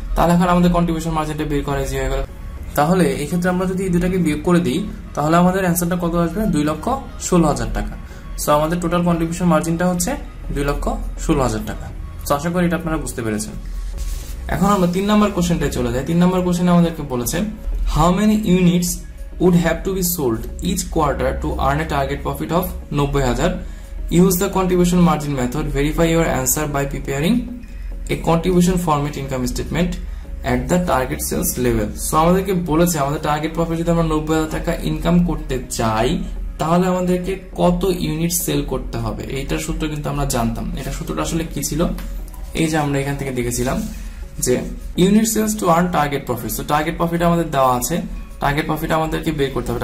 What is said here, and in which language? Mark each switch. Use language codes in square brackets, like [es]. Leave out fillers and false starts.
[bn] তাহলে এখন আমাদের কন্ট্রিবিউশন মার্জিনটা বের করা ইজি হয়ে গেল। তাহলে এই ক্ষেত্রে আমরা যদি দুটাকে বিয়োগ করে দিই তাহলে আমাদের অ্যান্সারটা কত আসবে, 216,000 টাকা। সো আমাদের টোটাল কন্ট্রিবিউশন মার্জিনটা হচ্ছে 216,000 টাকা। সো আশা করি এটা আপনারা বুঝতে পেরেছেন। এখন আমরা 3 নম্বর কোশ্চেনটায় চলে যাই। 3 নম্বর কোশ্চেনে আমাদেরকে বলেছে [en] How many units would have to be sold each quarter to earn a target profit of 90,000. Use the contribution margin method. Verify your answer by preparing a contribution format income statement at the target sales level. [bn] So, আমাদেরকে বলেছে আমাদের target profit যদি আমরা 90,000 টাকা income করতে চাই তাহলে আমাদেরকে কত ইউনিট সেল করতে হবে, এইটার সূত্র কিন্তু আমরা জানতাম। এটা সূত্রটা আসলে কি ছিল, এই যে আমরা এখান থেকে দেখেছিলাম যে unit sales to earn target profit. তো টার্গেট প্রফিট আমাদের দেওয়া আছে, টার্গেট প্রফিট আমাদেরকে বের করতে হবে।